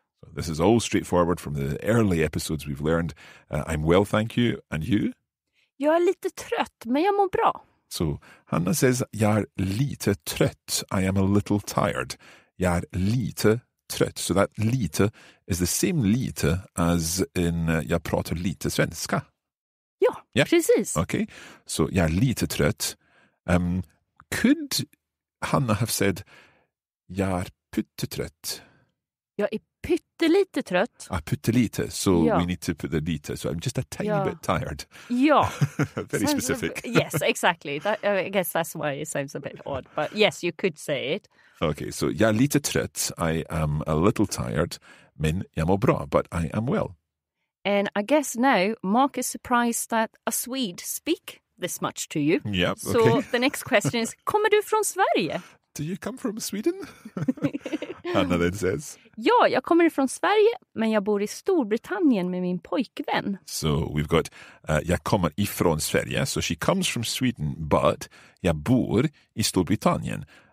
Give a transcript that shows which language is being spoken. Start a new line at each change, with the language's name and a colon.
English: So, this is all straightforward from the early episodes we've learned. I'm well, thank you. And you?
Swedish: Jag är lite trött, men jag mår bra.
English: So, Hanna says,
Swedish: jag är lite trött.
English: I am a little tired.
Swedish: Jag är lite trött.
English: So that lite is the same lite as in
Swedish: jag pratar lite svenska. Ja,
English: yeah.
Swedish: Precis.
English: Okay, so
Swedish: jag är lite trött.
English: Could Hanna have said
Swedish: jag är pyttetrött? Jag är pyttelite trött. Ah, pyttelite.
English: So yeah. We need to put the lite. So I'm just a tiny yeah. bit tired. Yeah. Very sounds specific. Yes, exactly. That, I guess that's why it sounds a bit odd. But yes, you could say it. Okay, so
Swedish: jag är lite trött.
English: I am a little tired.
Swedish: Men jag mår bra,
English: but I am well. And I guess now Mark is surprised that a Swede speak this much to you. Yeah, so okay. The next question is,
Swedish: kommer du från Sverige?
English: Do you come from Sweden? Hanna then says.
Swedish: Ja, jag kommer från Sverige, men jag bor i Storbritannien med min pojkvän.
English: So we've got,
Swedish: jag kommer ifrån Sverige.
English: So she comes from Sweden, but
Swedish: jag bor i Storbritannien.